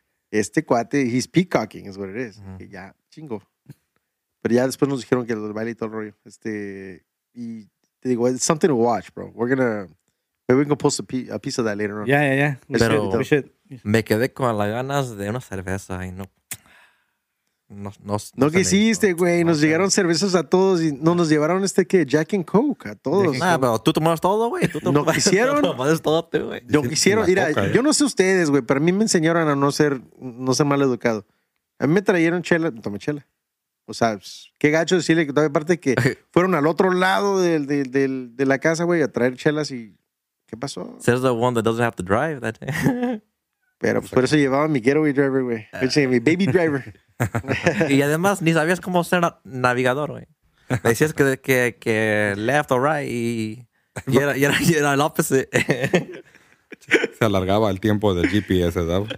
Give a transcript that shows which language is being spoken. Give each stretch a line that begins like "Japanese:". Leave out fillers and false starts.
Spanish: Este cuate,
English: he's peacocking, is what it is.
Spanish: Uh-huh. Y ya, chingo. Pero ya después nos dijeron que el baile y todo el rollo. Y te digo,
English: it's something to watch, bro. Maybe we can post a piece of that later on. Yeah.
Spanish: Pero me quedé con las ganas de una cerveza y no... No quisiste, güey. Nos llegaron cervezas a todos y no nos llevaron Jack and Coke a todos. Nah, pero tú tomabas todo, güey. No quisieron. No quisieron. Mira, yo no sé ustedes, güey, pero a mí me enseñaron a no ser mal educado. A mí me trajeron chela. Tomé chela. O sea, qué gacho decirle que todavía aparte que fueron al otro lado de la casa, güey, a traer chelas y. ¿Qué pasó?
English: Says the one that doesn't have to drive that day.
Spanish: Pero pues, por eso llevaba mi
English: getaway driver,
Spanish: güey.
English: Mi baby driver.
Spanish: Y además ni sabías cómo ser navegador, güey. Decías que
English: left or right
Spanish: y era el opposite. Se alargaba el tiempo del GPS, ¿verdad?